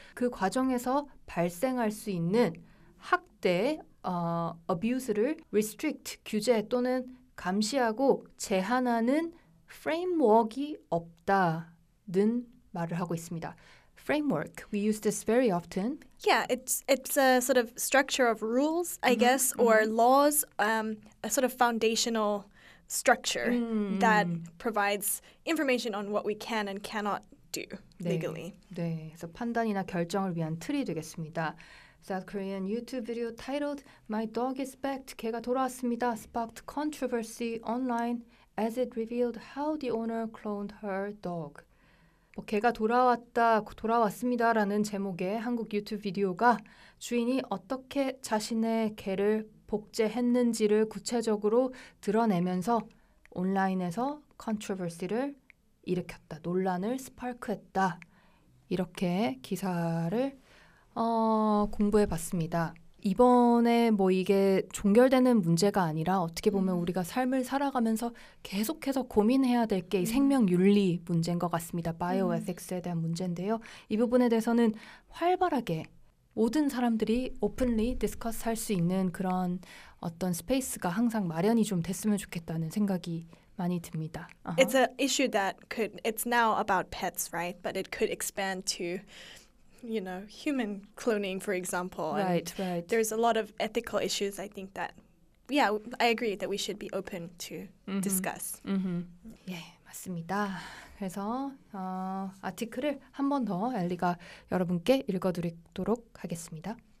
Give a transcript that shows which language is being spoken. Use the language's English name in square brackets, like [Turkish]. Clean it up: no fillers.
[Korean] 그 과정에서 발생할 수 있는 학대, abuse를 restrict, 규제 또는 감시하고 제한하는 framework이 없다는 말을 하고 있습니다. Framework. [English] We use this very often. Yeah, it's a sort of structure of rules, I mm-hmm. guess, or mm-hmm. laws, a sort of foundational structure mm-hmm. that provides information on what we can and cannot do [Korean] 네. [English] legally. [Korean] 네, 그래서 판단이나 결정을 위한 틀이 되겠습니다. [English] South Korean YouTube video titled My Dog is Back, [Korean] 개가 돌아왔습니다, [English] sparked controversy online as it revealed how the owner cloned her dog. [Korean] 뭐 개가 돌아왔다, 돌아왔습니다 라는 제목의 한국 유튜브 비디오가 주인이 어떻게 자신의 개를 복제했는지를 구체적으로 드러내면서 온라인에서 컨트러버시를 일으켰다, 논란을 스파크했다 이렇게 기사를 공부해 봤습니다. 이번에 뭐 이게 종결되는 문제가 아니라 어떻게 보면 우리가 삶을 살아가면서 계속해서 고민해야 될 게 생명 윤리 문제인 것 같습니다. 바이오에틱스에 대한 문제인데요. 이 부분에 대해서는 활발하게 모든 사람들이 오픈리 디스커스 할 수 있는 그런 어떤 스페이스가 항상 마련이 좀 됐으면 좋겠다는 생각이 많이 듭니다. [English] Uh-huh. It's an issue that could, it's now about pets, right? But it could expand to... You know, human cloning, for example. Right, and right. There's a lot of ethical issues, I think, that, yeah, I agree that we should be open to mm-hmm. discuss. [Korean] Mm-hmm. 예, 맞습니다. 그래서 아티클을 한 번 더 엘리가 여러분께 읽어드리도록 하겠습니다.